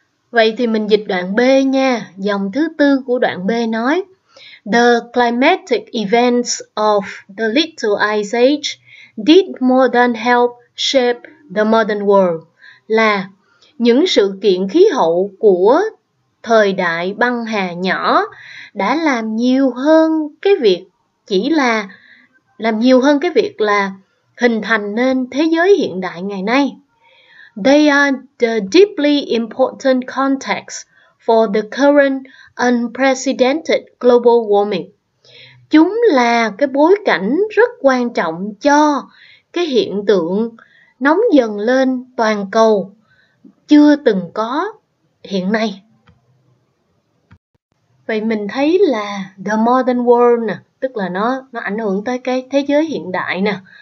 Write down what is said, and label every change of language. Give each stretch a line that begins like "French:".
Vietnamese: Vậy thì mình dịch đoạn B nha. Dòng thứ tư của đoạn B nói
English: The climatic events of the Little Ice Age did more than help shape the modern world,
Vietnamese: là những sự kiện khí hậu của thời đại băng hà nhỏ đã làm nhiều hơn cái việc chỉ là làm nhiều hơn cái việc là hình thành nên thế giới hiện đại ngày nay.
English: They are the deeply important context for the current unprecedented global warming.
Vietnamese: Chúng là cái bối cảnh rất quan trọng cho cái hiện tượng nóng dần lên toàn cầu chưa từng có hiện nay. Vậy mình thấy là
English: the modern world
Vietnamese: nè, tức là nó ảnh hưởng tới cái thế giới hiện đại nè.